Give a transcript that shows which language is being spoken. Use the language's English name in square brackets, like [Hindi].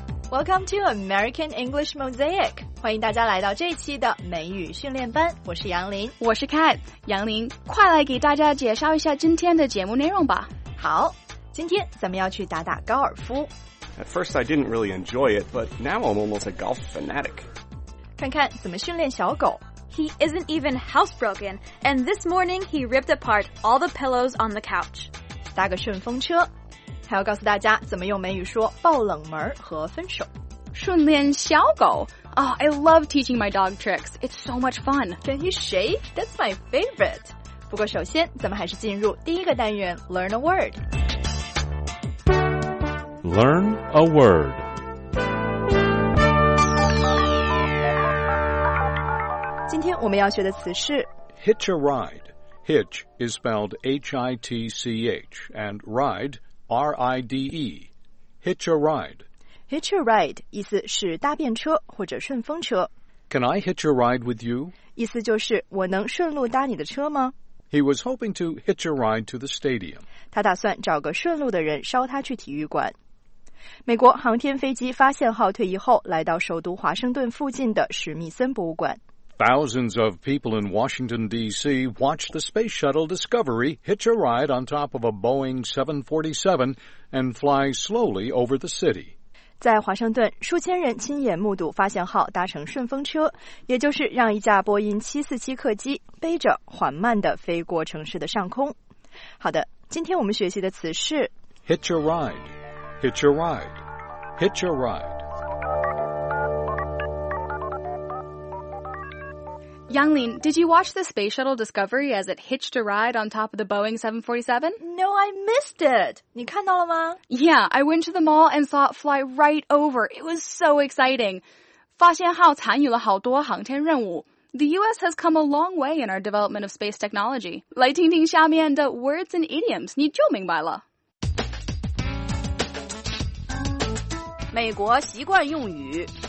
[English] Welcome to American English Mosaic. [Chinese] 欢迎大家来到这期的美语训练班。我是杨林。我是 Kat。杨林，快来给大家介绍一下今天的节目内容吧。好，今天咱们要去打打高尔夫。 [English] At first I didn't really enjoy it, but now I'm almost a golf fanatic. [Chinese] 看看怎么训练小狗。 [English] He isn't even housebroken, and this morning he ripped apart all the pillows on the couch. [Chinese] 搭个顺风车。还要告诉大家怎么用美语说爆冷门和分手。训练小狗。 [English] Oh, I love teaching my dog tricks. It's so much fun. Can you say? That's my favorite. [Chinese] 不过首先咱们还是进入第一个单元 [English] Learn a word. Learn a word. [Chinese] 今天我们要学的词是 [English] Hitch a ride. Hitch is spelled H-I-T-C-H and ride,R-I-D-E, hitch a ride. [Chinese] Hitch a ride, 意思是搭便车或者顺风车。 [English] Can I hitch a ride with you? [Chinese] 意思就是我能顺路搭你的车吗? [English] He was hoping to hitch a ride to the stadium. [Chinese] 他打算找个顺路的人捎他去体育馆。美国航天飞机发现号退役后来到首都华盛顿附近的史密森博物馆。 [English] Thousands of people in Washington, D.C. watched the space shuttle Discovery hitch a ride on top of a Boeing 747 and fly slowly over the city. [Chinese] 在华盛顿，数千人亲眼目睹发现号搭乘顺风车，也就是让一架波音747客机背着缓慢地飞过城市的上空。好的，今天我们学习的词是 [English] Hitch a ride, hitch a ride, hitch a ride. Yanglin, did you watch the space shuttle Discovery as it hitched a ride on top of the Boeing 747? No, I missed it. [Chinese] 你看到了吗? [English] Yeah, I went to the mall and saw it fly right over. It was so exciting. [Chinese] 发现号参与了好多航天任务。 [English] The U.S. has come a long way in our development of space technology. [Chinese] 来听听下面的 words and idioms, 你就明白了。美国习惯用语